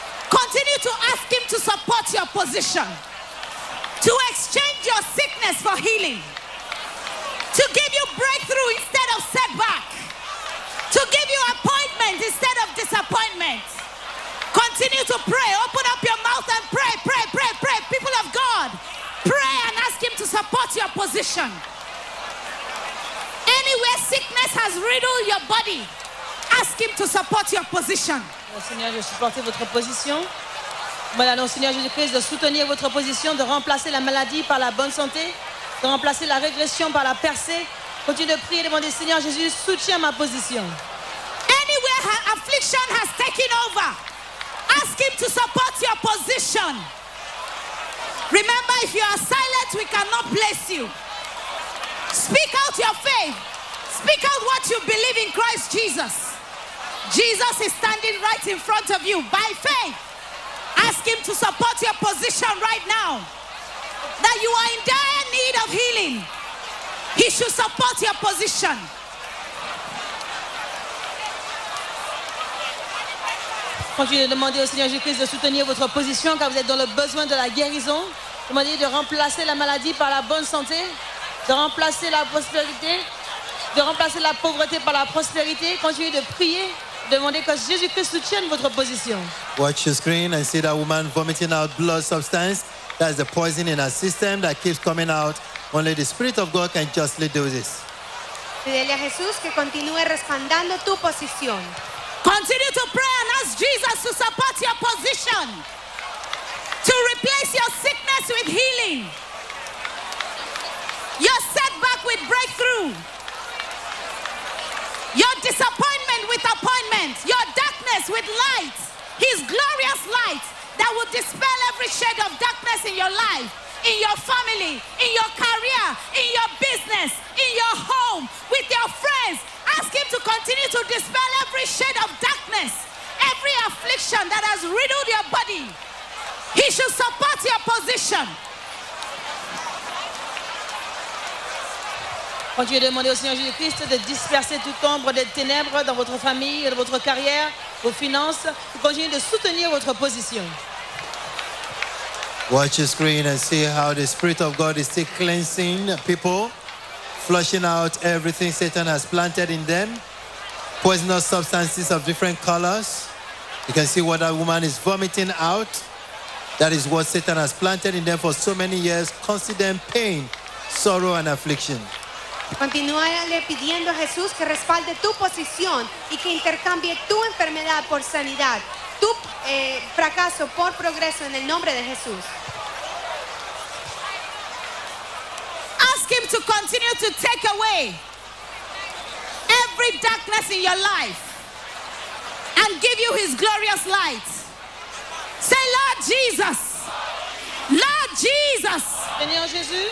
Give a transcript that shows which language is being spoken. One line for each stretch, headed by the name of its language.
English: Continue to ask him to support your position, to exchange your sickness for healing, to give you breakthrough instead of setback, to give you appointment instead of disappointment. Continue to pray. Open up your mouth and pray, pray, pray, pray. People of God, pray and ask him to support your position. Anywhere sickness has riddled your body, ask him to support your position.
French: Seigneur, de supporter votre position. Voilà, donc, Seigneur Jésus-Christ, de soutenir votre position, de remplacer la maladie par la bonne santé, de remplacer la régression par la percée. Continue de prier et demander, Seigneur Jésus, soutiens ma position.
English: Anywhere her affliction has taken over, ask him to support your position. Remember, if you are silent, we cannot bless you. Speak out your faith. Speak out what you believe in Christ Jesus. Jesus is standing right in front of you by faith. Ask him to support your position right now. That you are in dire need of healing. He should support your position.
French: Continuez de demander au Seigneur Jésus-Christ de soutenir votre position car vous êtes dans le besoin de la guérison. Demandez de remplacer la maladie par la bonne santé, de remplacer la prospérité, de remplacer la pauvreté par la prospérité. Continuez de prier. Demandez que Jésus-Christ soutienne votre position.
English: Watch your screen and see that woman vomiting out blood substance. That's the poison in her system that keeps coming out. Only the Spirit of God can justly do this.
Spanish: Pídele a Jesús que continúe respaldando tu posición.
English: Continue to pray and ask Jesus to support your position. To replace your sickness with healing. Your setback with breakthrough. Your disappointment with appointment, your darkness with light, his glorious light that will dispel every shade of darkness in your life, in your family, in your career, in your business, in your home, with your friends. Ask him to continue to dispel every shade of darkness, every affliction that has riddled your body. He should support your position.
French: Continuez de demander au Seigneur Jésus-Christ de disperser toute ombre des ténèbres dans votre famille, dans votre carrière, vos finances. Continuez de soutenir votre position.
English: Watch your screen and see how the Spirit of God is still cleansing people, flushing out everything Satan has planted in them, poisonous substances of different colors. You can see what that woman is vomiting out. That is what Satan has planted in them for so many years, constant pain, sorrow and affliction.
Spanish: Continúale pidiendo a Jesús que respalde tu posición y que intercambie tu enfermedad por sanidad, tu fracaso por progreso en el nombre de Jesús.
English: Ask him to continue to take away every darkness in your life and give you his glorious light. Say, Lord Jesus. Lord Jesus.
French: Seigneur Jésus.